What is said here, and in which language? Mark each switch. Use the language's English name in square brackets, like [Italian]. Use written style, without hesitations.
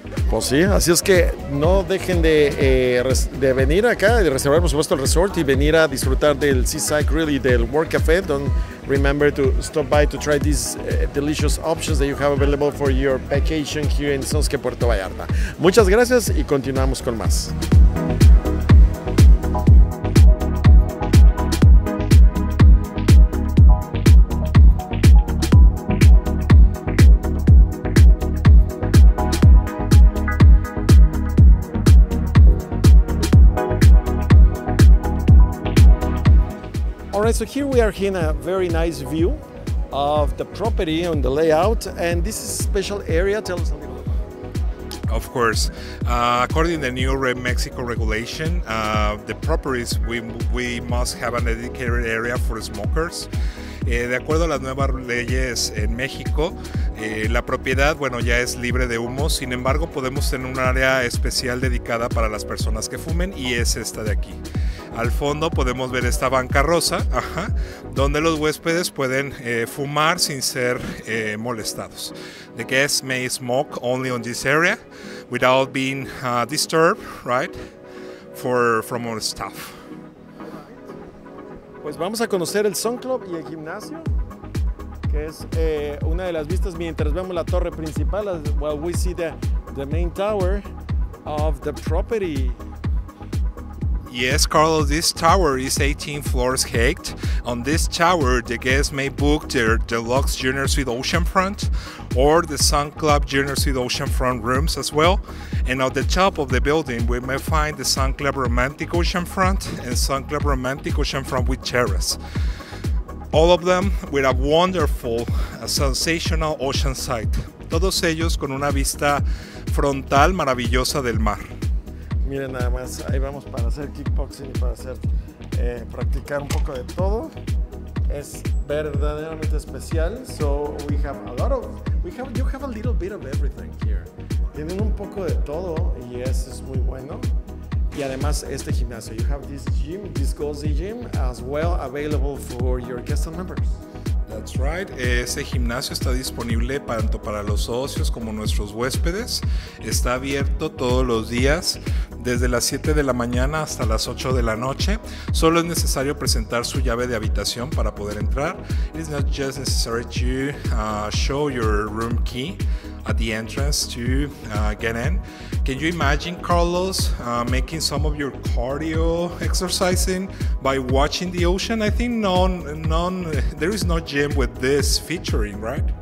[Spanish] Pues sí, así es que no dejen de venir acá, de reservar por supuesto el resort y venir a disfrutar del Seaside Grill y del World Cafe. [English] Don't remember to stop by to try these delicious options that you have available for your vacation here in Sosque Puerto Vallarta. [Spanish] Muchas gracias y continuamos con más. [English] So here we are in a very nice view of the property on the layout, and this is a special area. Tell us a little about it. Of course. According to the new Mexico regulation, the properties, we must have a dedicated area for smokers. [Spanish] De acuerdo a las nuevas leyes en México, la propiedad, bueno, ya es libre de humo. Sin embargo, podemos tener un área especial dedicada para las personas que fumen, y es esta de aquí. Al fondo podemos ver esta banca rosa, ajá, donde los huéspedes pueden fumar sin ser molestados. [English] The guests may smoke only on this area without being disturbed, right, from our staff. [Spanish] Pues vamos a conocer el Sun Club y el gimnasio. que es una de las vistas mientras vemos la torre principal. [English] Well, we see the main tower of the property. Yes, Carlos, this tower is 18 floors height. On this tower, the guests may book their deluxe Junior Suite Oceanfront or the Sun Club Junior Suite Oceanfront rooms as well. And at the top of the building, we may find the Sun Club Romantic Oceanfront and Sun Club Romantic Oceanfront with terrace. All of them with a wonderful, a sensational ocean sight. [Spanish] Todos ellos con una vista frontal maravillosa del mar. Miren nada más, ahí vamos para hacer kickboxing y para hacer practicar un poco de todo. Es verdaderamente especial. [English] So we have a lot of, you have a little bit of everything here. [Spanish] Tienen un poco de todo y eso es muy bueno. Y además este gimnasio, [English] you have this gym, this cozy gym as well available for your guests and members. That's right. [Spanish] Ese gimnasio está disponible tanto para los socios como nuestros huéspedes. Está abierto todos los días desde las 7 de la mañana hasta las 8 de la noche. Solo es necesario presentar su llave de habitación para poder entrar. [English] It's not just necessary to show your room key at the entrance to get in. Can you imagine, Carlos, making some of your cardio exercising by watching the ocean? I think there is no gym with this featuring, right?